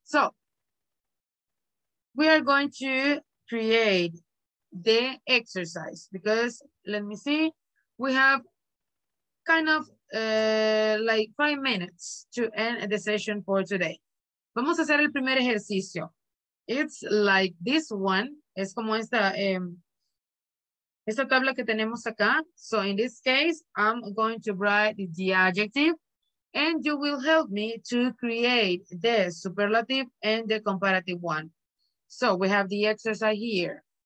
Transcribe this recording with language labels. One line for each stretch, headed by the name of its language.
English: So we are going to create the exercise, because let me see, we have kind of like 5 minutes to end the session for today.
Spanish: Vamos a hacer el primer ejercicio.
English: It's like this one.
Spanish: Es como esta, esta tabla que tenemos acá.
English: So in this case, I'm going to write the adjective, and you will help me to create the superlative and the comparative one. So we have the exercise here.